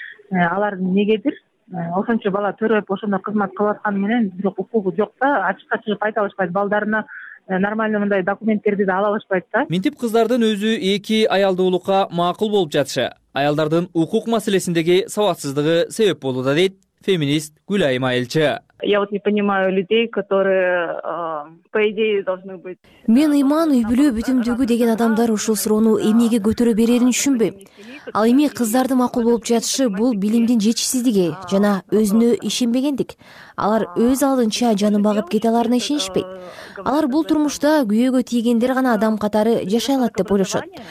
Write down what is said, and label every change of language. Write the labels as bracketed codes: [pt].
[ky] Алардын негедир ошончо бала төрөп ошондо кызмат кылып атканы менен бирок укугу жок да, ачыкка чыгып айта алышпайт, балдарына нормально мындай документтерди да ала алышпайт да. Минтип кыздардын өзү эки аялдуулукка макул болуп жатышы аялдардын укук маселесиндеги сабатсыздыгы себеп болууда, дейт феминист Гүлайым Айылчы. [ru] Я вот не понимаю людей, которые по идее должны быть. [ky] Мен ыйман, үй бүлө бүтүмдүгү деген адамдар ушул суроону эмнеге көтөрө берерин түшүнбөйм. Ал эми кыздардын макул болуп жатышы бул билимдин жетишсиздиги жана өзүнө ишенбегендик. Алар өз алдынча жанын багып кете аларына ишенишпейт. Алар бул турмушта күйөөгө тийгендер гана адам катары жашай алат деп ойлошот.